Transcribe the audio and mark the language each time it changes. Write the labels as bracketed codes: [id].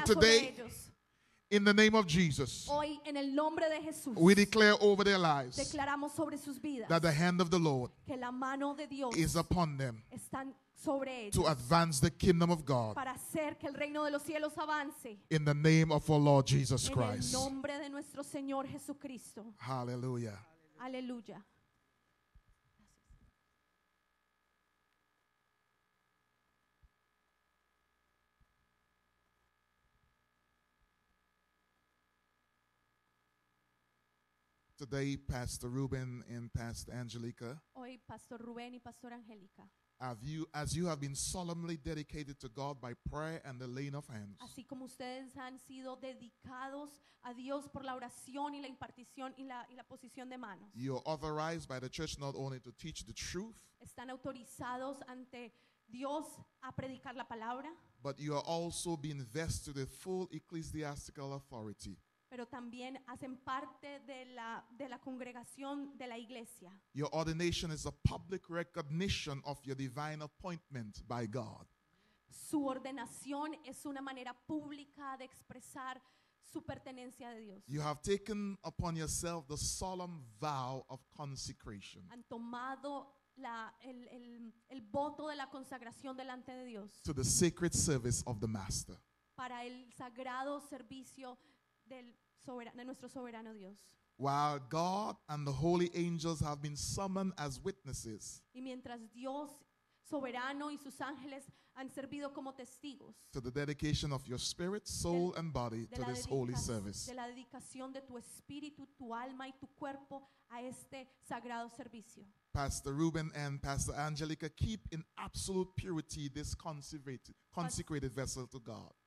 [en] so today, [es] sobre ellos. [en] In the name of Jesus, [es] hoy, en el nombre de Jesús, [en] we declare over their lives [es] declaramos sobre sus vidas [en] that the hand of the Lord [es] que la mano de Dios [en] is upon them [es] están sobre ellos [en] to advance the kingdom of God [es] para hacer que el reino de los cielos avance [en] in the name of our Lord Jesus Christ. [es] En el nombre de nuestro Señor Jesucristo. [en] Hallelujah. Hallelujah. Today, Pastor Ruben and Pastor Angelica. [es] Hoy, Pastor Ruben y Pastor Angelica. [en] As you have been solemnly dedicated to God by prayer and the laying of hands. [es] Así como ustedes han sido dedicados a Dios por la oración y la impartición y la posición de manos. [en] You are authorized by the church not only to teach the truth. [es] Están autorizados ante Dios a predicar la palabra. [en] But you are also being vested with full ecclesiastical authority. [es] Pero también hacen parte de la congregación de la iglesia. [en] Your ordination is a public recognition of your divine appointment by God. [es] Su ordenación es una manera pública de expresar su pertenencia de Dios. [en] You have taken upon yourself the solemn vow of consecration. [es] Han tomado el voto de la consagración delante de Dios. [en] To the sacred service of the Master. [es] Para el sagrado servicio de nuestro soberano Dios. [en] While God and the holy angels have been summoned as witnesses, [es] y mientras Dios soberano y sus ángeles han servido como testigos, [en] to the dedication of your spirit, soul, and body to this holy service, [es] de la dedicación de tu espíritu, tu alma y tu cuerpo a este sagrado servicio. [en] Pastor Ruben and Pastor Angelica keep in absolute purity this consecrated vessel to God.